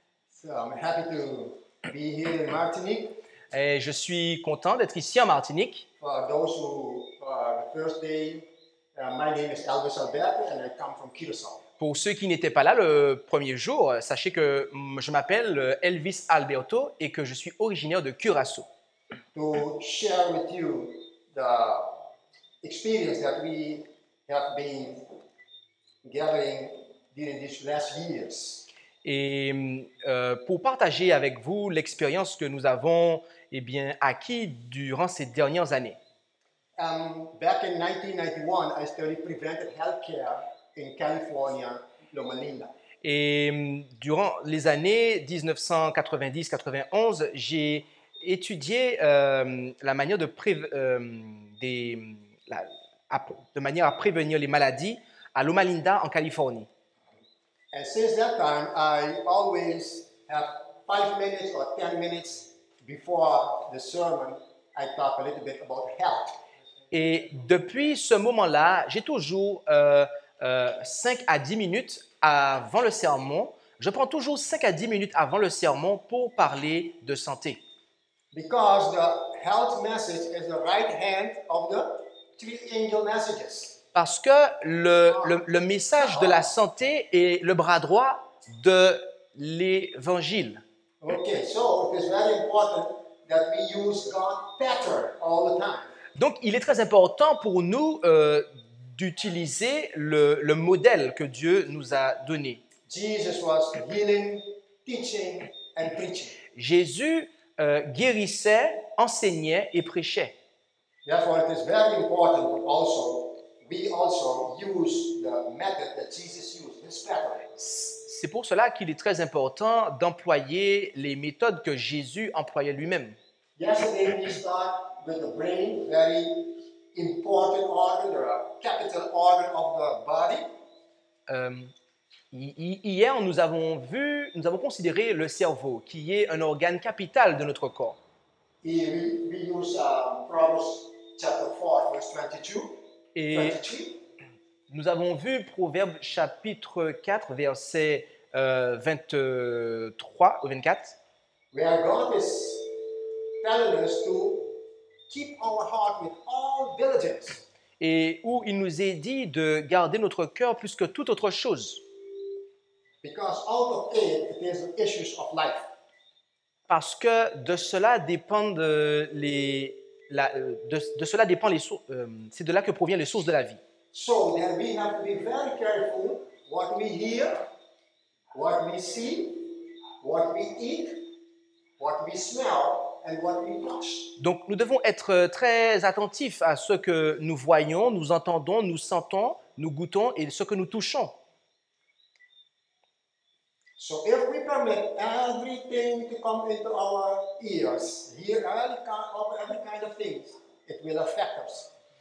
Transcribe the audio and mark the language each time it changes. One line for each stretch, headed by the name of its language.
English: So I'm happy to be here in Martinique.
French: Et je suis content d'être ici en Martinique.
English: For those who are first day, my name is Elvis Alberto and I come from Curaçao.
French: Pour ceux qui n'étaient pas là le premier jour, sachez que je m'appelle Elvis Alberto et que je suis originaire de Curaçao.
English: To share with you the experience that we have been gathering during these last years.
French: Et pour partager avec vous l'expérience que nous avons acquis durant ces dernières années.
English: Back in 1991, I studied preventive healthcare. In California, Loma Linda.
French: Et durant les années 1990-91, j'ai étudié la manière de manière à prévenir les maladies à Loma Linda en Californie.
English: And since that time, I always have 5 minutes or 10 minutes before the sermon, I talk a little bit about health.
French: Et depuis ce moment-là, j'ai toujours 5 à 10 minutes avant le sermon. Je prends toujours 5 à 10 minutes avant le sermon pour parler de santé.
English: Because the health message is the right hand of the three angel messages.
French: Parce que le message de la santé est le bras droit de l'évangile.
English: Okay, so it is very important that we use God's pattern all the time.
French: Donc il est très important pour nous d'utiliser le modèle que Dieu nous a donné.
English: Jesus was healing, teaching, and preaching.
French: Jésus guérissait, enseignait et prêchait.
English: Therefore, it is very important also we also use the method that Jesus used, his pattern.
French: C'est pour cela qu'il est très important d'employer les méthodes que Jésus employait lui-même.
English: Yesterday we start with the brain, very important organ, the capital organ of the body.
French: Hier, nous avons considéré le cerveau, qui est un organe capital de notre corps.
English: We use Proverbs chapter 4, verse 22.
French: Et 23. Nous avons vu Proverbes chapitre 4, verset 23 ou 24.
English: Where God is telling us to keep our heart with all diligence.
French: Et où il nous est dit de garder notre cœur plus que toute autre chose.
English: Because out of it, there's issues of life.
French: Parce que de cela dépendent c'est de là que proviennent les sources de la vie.
English: So then we have to be very careful what we hear, what we see, what we eat, what we smell. And what we
French: Donc, nous devons être très attentifs à ce que nous voyons, nous entendons, nous sentons, nous goûtons et ce que nous touchons.
English: So if we permit everything to come into our ears, hear every kind of things, it will affect us.